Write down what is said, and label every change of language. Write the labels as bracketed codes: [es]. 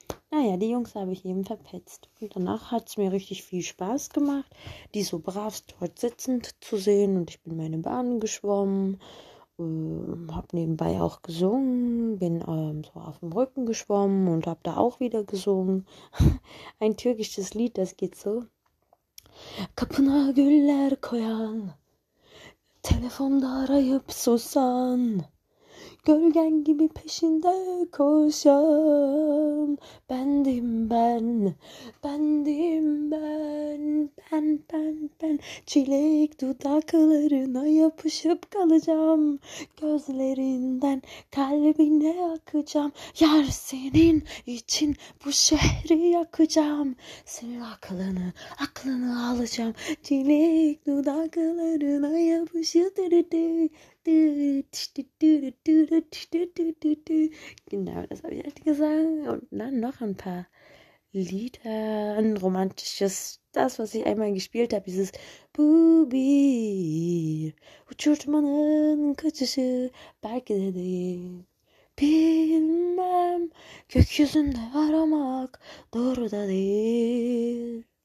[de] Naja, die Jungs habe ich eben verpetzt. Und danach hat es mir richtig viel Spaß gemacht, die so brav dort sitzend zu sehen. Und ich bin meine Bahn geschwommen, habe nebenbei auch gesungen, bin so auf dem Rücken geschwommen und habe da auch wieder gesungen. Ein türkisches Lied, das geht so. [tr] Kapına güller koyan, telefonda arayıp susan. Gölgen gibi peşinde koşan bendim ben, bendim ben, ben, ben, ben. Çilek dudaklarına yapışıp kalacağım, gözlerinden kalbine akacağım. Yar senin için bu şehri yakacağım, senin aklını alacağım. Çilek dudaklarına yapışıp [de] genau, das habe ich halt gesagt. Und dann noch ein paar Lieder, ein romantisches, das, was ich einmal gespielt habe, dieses Bubi, [tr] uçurtmanın kaçışı, belki de değil, bilmem, gökyüzünde aramak doğru da değil.